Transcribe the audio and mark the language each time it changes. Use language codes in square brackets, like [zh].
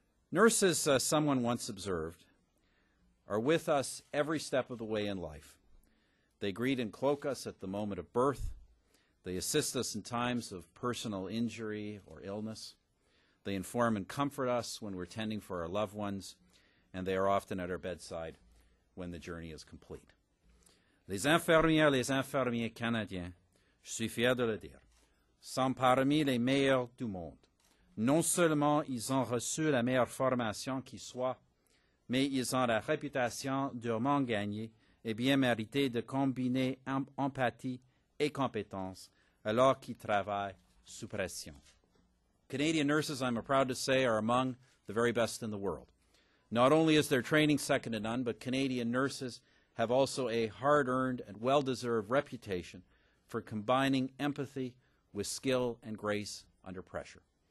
[en] Nurses, someone once observed, are with us every step of the way in life. They greet and cloak us at the moment of birth. They assist us in times of personal injury or illness. They inform and comfort us when we're tending for our loved ones, and they are often at our bedside when the journey is complete. [fr] Les infirmières, les infirmiers canadiens, je suis fier de le dire, sont parmi les meilleurs du monde. Non seulement ils ont reçu la meilleure formation qui soit, mais ils ont la réputation durement gagnée et bien méritée de combiner empathie et compétence alors qu'ils travaillent sous pression. [en] Canadian nurses, I'm proud to say, are among the very best in the world. Not only is their training second to none, but Canadian nurses have also a hard-earned and well-deserved reputation for combining empathy with skill and grace under pressure.